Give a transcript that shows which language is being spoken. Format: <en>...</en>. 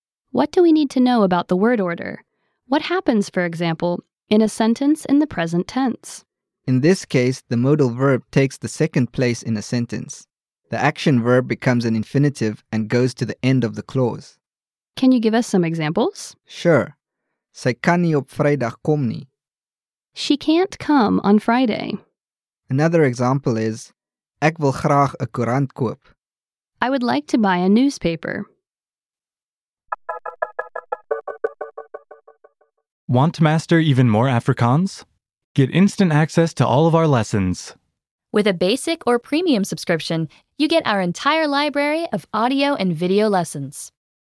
<en>What do we need to know about the word order? What happens, for example, in a sentence in the present tense? In this case, the modal verb takes the second place in a sentence. The action verb becomes an infinitive and goes to the end of the clause. Can you give us some examples? Sure.</en> <af>Sy kan nie op Vrydag kom nie.</af> <en>She can't come on Friday. Another example is,</en> <af>ek wil graag 'n koerant koop.</af> <en>I would like to buy a newspaper. Want to master even more Afrikaans? Get instant access to all of our lessons. With a basic or premium subscription, you get our entire library of audio and video lessons.</en>